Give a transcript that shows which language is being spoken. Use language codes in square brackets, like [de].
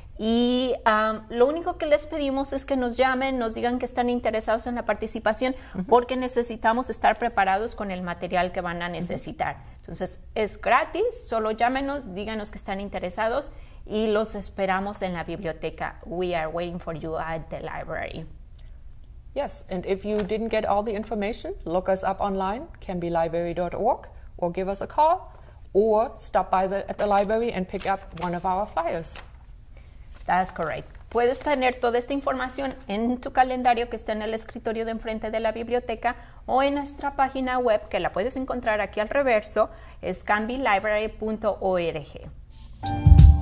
[es] Y lo único que les pedimos es que nos llamen, nos digan que están interesados en la participación, uh-huh. porque necesitamos estar preparados con el material que van a necesitar. Uh-huh. Entonces, es gratis, solo llámenos, díganos que están interesados y los esperamos en la biblioteca. [en] We are waiting for you at the library. Yes, and if you didn't get all the information, look us up online, canbelibrary.org, or give us a call, or stop by at the library and pick up one of our flyers. That's correct. [es] Puedes tener toda esta información en tu calendario que está en el escritorio de enfrente de la biblioteca o en nuestra página web, que la puedes encontrar aquí al reverso, es canbelibrary.org.